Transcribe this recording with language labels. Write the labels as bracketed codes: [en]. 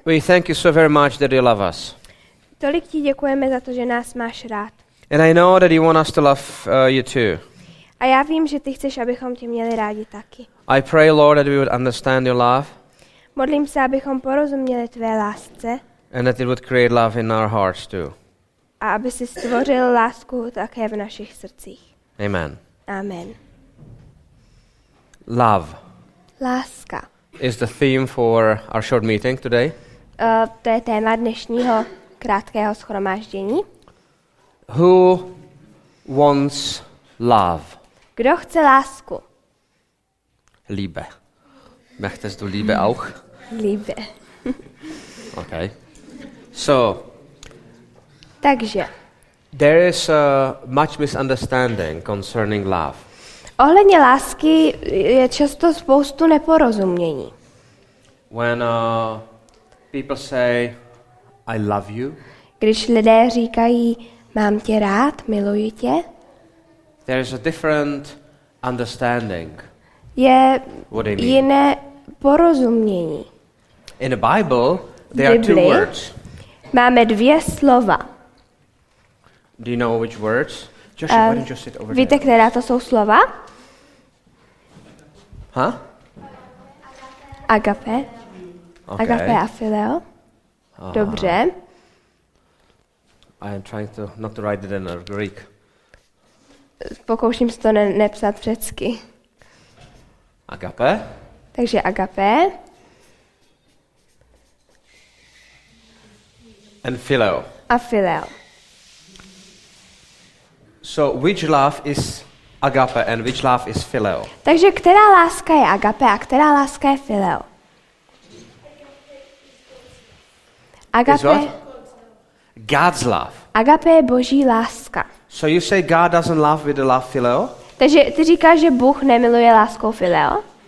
[en] we thank you so very much that you love us. [cs] Tolik ti děkujeme za to, že nás máš rád. [en] And I know that you want us to love you too. [cs] A já vím, že ty chceš, abychom tě měli rádi taky. [en] I pray, Lord, that we would understand your love. [cs] Modlím se, abychom porozuměli tvé lásce. [en] And that it would create love in our hearts too. [cs] A aby si stvořil lásku také v našich srdcích. [en] Amen. [cs] Amen. [en] Love. [cs] Láska. [en] Is the theme for our short meeting today? [cs] To je téma dnešního krátkého shromáždění. [en] Who wants love? [cs] Kdo chce lásku? [de] Liebe. Möchtest du Liebe auch? Liebe. [en] Okay. So. [cs] Takže. [en] There is much misunderstanding concerning love. [cs] Ohledně lásky je často spoustu neporozumění. [en] When people say I love you. [cs] Když lidé říkají mám tě rád, miluji tě. [en] There is a different understanding. [cs] Je jiné porozumění. [en] In the Bible there are two words. [cs] Máme dvě slova. [en] Do you know which words? Joshua, why don't you sit over [cs] víte, [en] there? [cs] Která to jsou slova? Huh? [en] Agape. Okay. [cs] Agape a phileo. Dobře. [en] I am trying to not to write it in Greek. [cs] Pokouším se to nepsat v řecky. [en] Agape. [cs] Takže agape. [en] And phileo. [cs] A phileo. [en] So which love is agape and which love is phileo? [cs] Takže která láska je agape a která láska je phileo? [en] God's love. [cs] Agape je Boží láska. [en] So you say God doesn't love with the love phileo? [cs] Takže ty říkáš, že Bůh nemiluje láskou phileo?